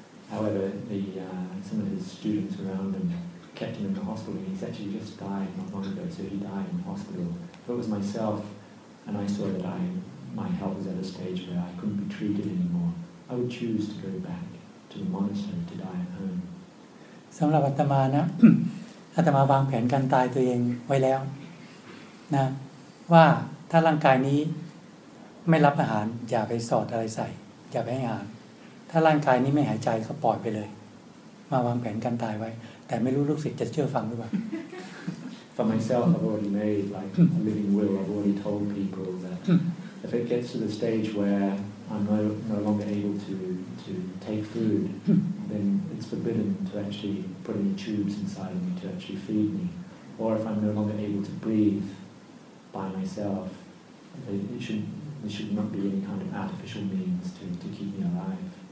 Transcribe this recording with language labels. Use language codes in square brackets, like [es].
[en] However, some of his students around him kept him in the hospital, and he's actually just died not long ago, so he died in hospital. If it was myself, and I saw that my health was at a stage where I couldn't be treated anymore, I would choose to go back to the monastery to die at home. [th] สำหรับอาตมานะอาตมาวางแผนการตายตัวเองไว้แล้วนะว่าถ้าร่างกายนี้ไม่รับอาหารอย่าไปสอดอะไรใส่อย่าไปให้อาหารถ้าร่างกายนี้ไม่หายใจก็ปล่อยไปเลยมาวางแผนการตายไว้แต่ไม่รู้ลูกศิษย์จะเชื่อฟังหรือเปล่า [en] For myself I've already made like a living will I've already told people that if it gets to the stage where I'm no longer able to take food then it's forbidden to actually put any tubes inside of me to actually feed me or if I'm no longer able to breatheby myself, there should not be any kind of artificial means to keep me alive.